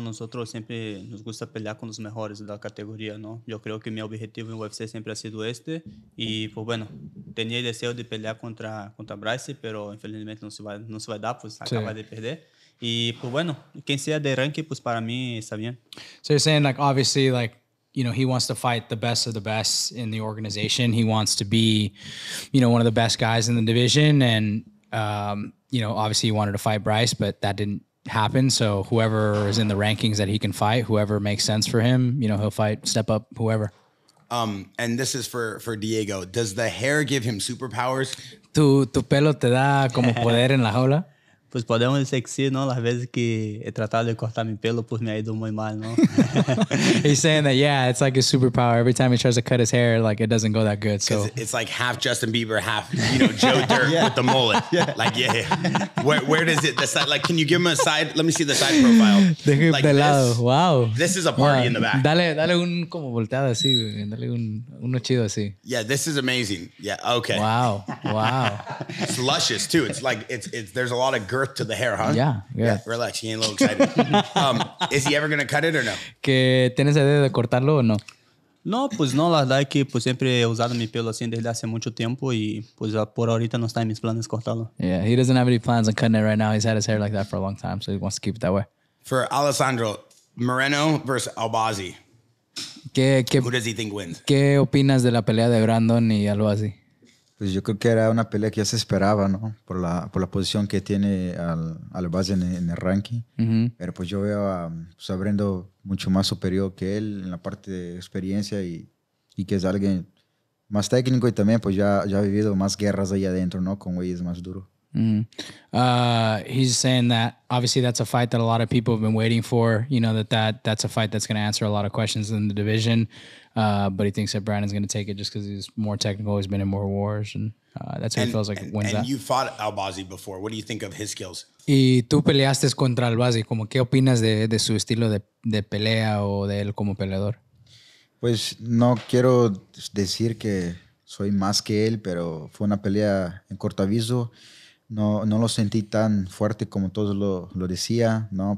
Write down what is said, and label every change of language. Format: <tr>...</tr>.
<es>Nosotros siempre nos gusta pelear con los mejores de la categoría, ¿no? Yo creo que mi objetivo en UFC siempre ha sido este. Y pues bueno, tenía el deseo de pelear contra Bryce, pero infelizmente no se va a dar, pues acaba de perder. Y pues bueno, quien sea de ranking, pues para mí está bien.</es> <en>So you're saying obviously he wants to fight the best of the best in the organization. He wants to be, one of the best guys in the division. And, obviously he wanted to fight Bryce, but that didn't happen. So whoever is in the rankings that he can fight, whoever makes sense for him, he'll fight, step up, whoever. And this is for Diego. Does the hair give him superpowers?</en> <es>¿Tu pelo te da como poder en la jaula? Pues podemos decir que sí, ¿no? Las veces que he tratado de cortar mi pelo, pues me ha ido muy mal, ¿no?</es> <en>He's saying that, yeah, it's like a superpower. Every time he tries to cut his hair, it doesn't go that good. So it's like half Justin Bieber, half, Joe Dirt with the mullet. Yeah. Where does it, the side, can you give him a side? Let me see the side profile.</en> <es>De lado. Wow.</es> <en>This is a party in the back.</en> <es>Dale un como volteado así, dale uno chido así.</es> <en>Yeah, this is amazing. Yeah, okay. Wow. It's luscious, too. It's there's a lot of girth to the hair, huh? Yeah. Relax, he ain't a little excited. Is he ever gonna cut it or no?</en> <es>¿Que tienes idea de cortarlo o no? No, pues no, la verdad es que pues siempre he usado mi pelo así desde hace mucho tiempo y pues por ahorita no está en mis planes cortarlo.</es> <en>Yeah, he doesn't have any plans on cutting it right now. He's had his hair like that for a long time, so he wants to keep it that way. For Alessandro, Moreno versus Albazi.</en> <es>¿Qué,</es> <en>who does he think wins?</en> <es>¿Qué opinas de la pelea de Brandon y Albazi? Pues yo creo que era una pelea que ya se esperaba, ¿no? Por la posición que tiene al base en el ranking. Mm-hmm. Pero pues yo veo a Brando mucho más superior que él en la parte de experiencia y que es alguien más técnico y también pues ya ha vivido más guerras ahí adentro, ¿no? Con güeyes más duro. Mm-hmm.</es> <en>He's saying that obviously that's a fight that a lot of people have been waiting for. That's a fight that's going to answer a lot of questions in the division. But he thinks that Brandon's going to take it just because he's more technical. He's been in more wars, and that's what he feels like and wins and that. And you fought Albazi before. What do you think of his skills?</en> <es>¿Y tú peleaste contra Albazi? ¿Cómo qué opinas de su estilo de pelea o de él como peleador? Pues no quiero decir que soy más que él, pero fue una pelea en corto aviso. No lo sentí tan fuerte como todos lo decía, ¿no?</es>